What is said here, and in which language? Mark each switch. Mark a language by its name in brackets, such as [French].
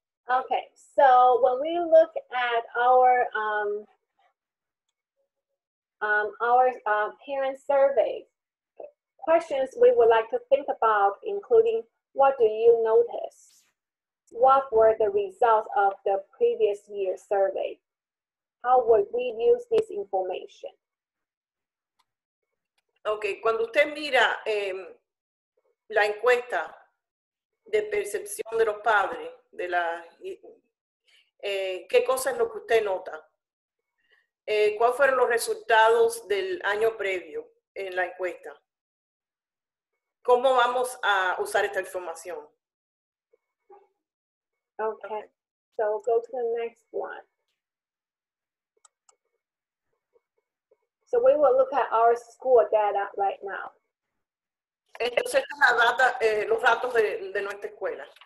[English] Okay, so when we look at our parent survey, questions we would like to think about, including what do you notice? What were the results of the previous year's survey? How would we use this information? [Spanish] Okay, cuando usted mira la encuesta de percepción de los padres, de la, ¿qué cosa es lo que usted nota? ¿Cuáles fueron los resultados del año previo en la encuesta? ¿Cómo vamos a usar esta información? [English] Okay, so go to the next one. So we will look at our school data right now. [Spanish] Entonces, esta es la data, los datos de nuestra escuela.